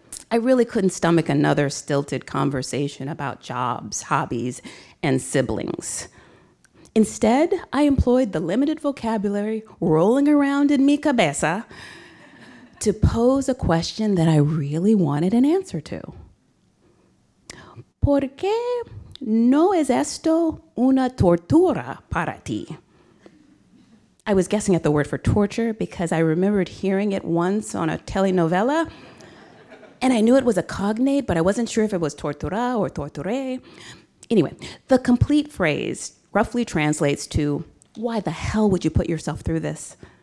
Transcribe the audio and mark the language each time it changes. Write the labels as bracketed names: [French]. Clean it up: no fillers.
[English] I really couldn't stomach another stilted conversation about jobs, hobbies, and siblings. Instead, I employed the limited vocabulary rolling around in [Spanish] mi cabeza [English] to pose a question that I really wanted an answer to. [Spanish] ¿Por qué no es esto una tortura para ti? [English] I was guessing at the word for torture because I remembered hearing it once on a telenovela. And I knew it was a cognate, but I wasn't sure if it was tortura or torture. Anyway, the complete phrase roughly translates to, why the hell would you put yourself through this?